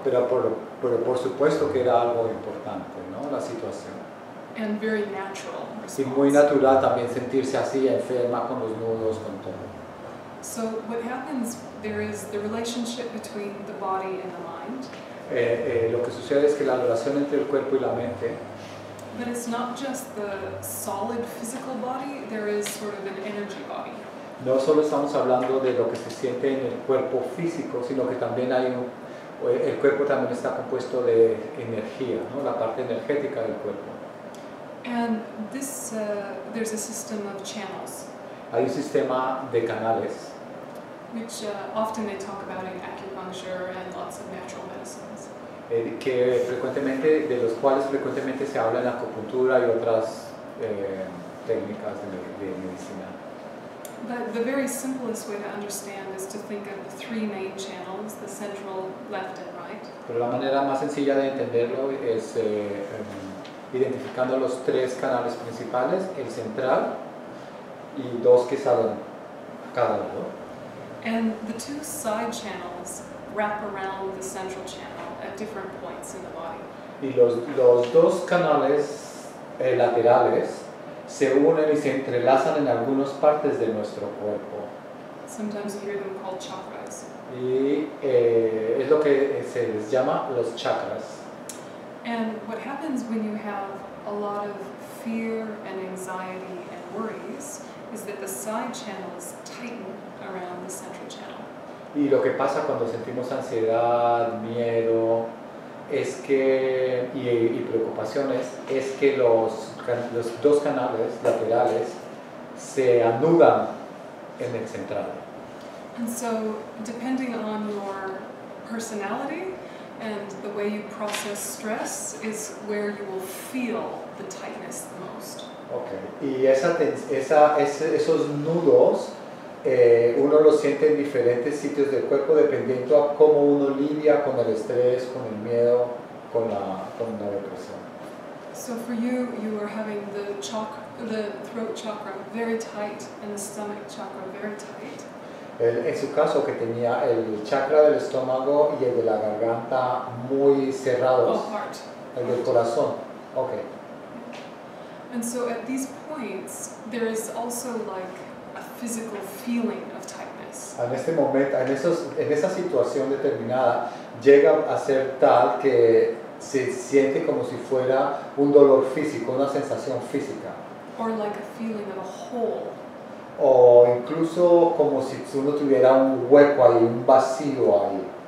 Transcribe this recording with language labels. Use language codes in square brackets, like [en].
[es] Pero por supuesto que era algo importante, ¿no? La situación. [en] And very natural. [es] Y muy natural también sentirse así, enferma, con los nudos, con todo. [en] So what happens, there is the relationship between the body and the mind. [es] Lo que sucede es que la relación entre el cuerpo y la mente. [en] But it's not just the solid physical body, there is sort of an energy body. [es] No solo estamos hablando de lo que se siente en el cuerpo físico, sino que también hay el cuerpo también está compuesto de energía, ¿no? La parte energética del cuerpo. [en] And this, there's a system of channels. [es] Hay un sistema de canales. [en] Which often they talk about in acupuncture and lots of natural medicines. [es] Que frecuentemente, de los cuales frecuentemente se habla en acupuntura y otras técnicas de medicina. [en] But the very simplest way to understand is to think of the 3 main channels, the central, left, and right. [es] Pero la manera más sencilla de entenderlo es identificando los 3 canales principales, el central, y 2 que salen cada lado. [en] And the 2 side channels wrap around the central channel at different points in the body. [es] Y los dos canales laterales se unen y se entrelazan en algunas partes de nuestro cuerpo. [en] Sometimes you hear them called chakras. [es] Y es lo que se les llama los chakras. [en] And what happens when you have a lot of fear and anxiety and worries is that the side channels tighten around the central channel. [es] Y lo que pasa cuando sentimos ansiedad, miedo, es que y preocupaciones, es que los dos canales laterales se anudan en el central. [en] And so, depending on your personality and the way you process stress is where you will feel the tightness the most. Okay. [es] Y esos nudos, uno los siente en diferentes sitios del cuerpo dependiendo a cómo uno lidia con el estrés, con el miedo, con la depresión. [en] So for you, you are having the throat chakra very tight and the stomach chakra very tight. [es] En su caso, que tenía el chakra del estómago y el de la garganta muy cerrados. El del corazón. Okay. [en] And so at these points, there is also like a physical feeling of tightness. [es] En este momento, en esa situación determinada, llega a ser tal que se siente como si fuera un dolor físico, una sensación física. [en] Or like a feeling of a hole. [es] O incluso como si uno tuviera un hueco ahí, un vacío ahí.